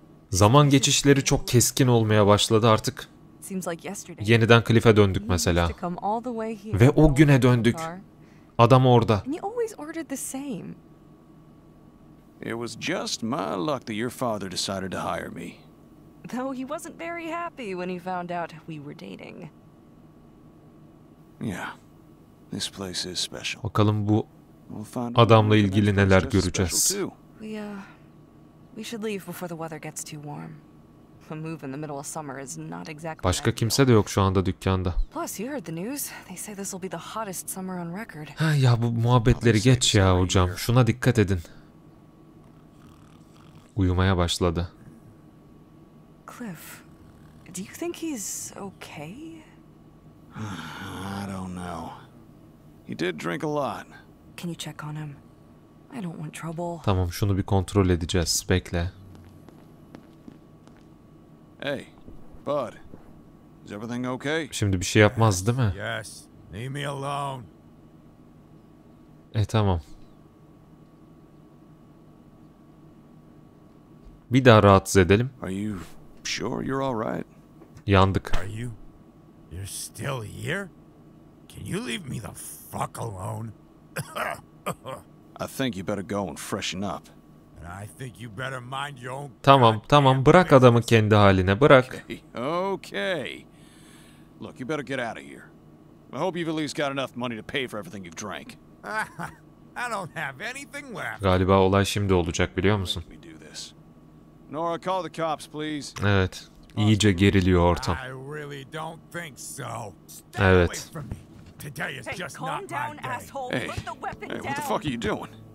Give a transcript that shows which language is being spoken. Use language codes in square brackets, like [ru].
[tr] Zaman geçişleri çok keskin olmaya başladı artık. [en] Seems like yesterday. [tr] Yeniden Cliff'e döndük mesela. Ve o güne döndük. Adam orada. [en] And you always ordered the same. It was just my luck that your father decided to hire me. Though he wasn't very happy when he found out we were dating. Yeah. This place is special. [tr] Bakalım bu adamla ilgili neler göreceğiz. [en] We should leave before the weather gets too warm. A move in the middle of summer is not exactly. [tr] Başka kimse de yok şu anda dükkanda. [en] Plus, you heard the news. They say this will be the hottest summer on record. [tr] Ha ya, bu muhabbetleri geç ya hocam. Şuna dikkat edin. Uyumaya başladı. [en] Cliff, do you think he's okay? I don't know. He did drink a lot. Can you check on him? I don't want trouble. [tr] Tamam, şunu bir kontrol edeceğiz. Bekle. [en] Hey, Bud. Is everything okay? [tr] Şimdi bir şey yapmaz, değil mi? [en] Yes. Leave me alone. [tr] Tamam. Bir daha rahatsız edelim. [en] Are you sure you're all right? [tr] Yandık. [en] Are you? You're still here? Can you leave me the fuck alone? I think you better go and freshen up. And I think you better mind your own. [tr] Tamam, tamam, bırak adamı kendi haline, bırak. [en] Okay. Look, you better get out of here. I hope you've at least got enough money to pay for everything you've drank. I don't have anything left. [tr] Galiba olay şimdi olacak, biliyor musun? [en] Nora, call the cops, please. [tr] Evet. İyice geriliyor ortam. [en] I really don't think so. [tr] Evet. [en] Today is just not my day. Hey, calm down, asshole. Put the weapon down. Hey, what the fuck are you doing?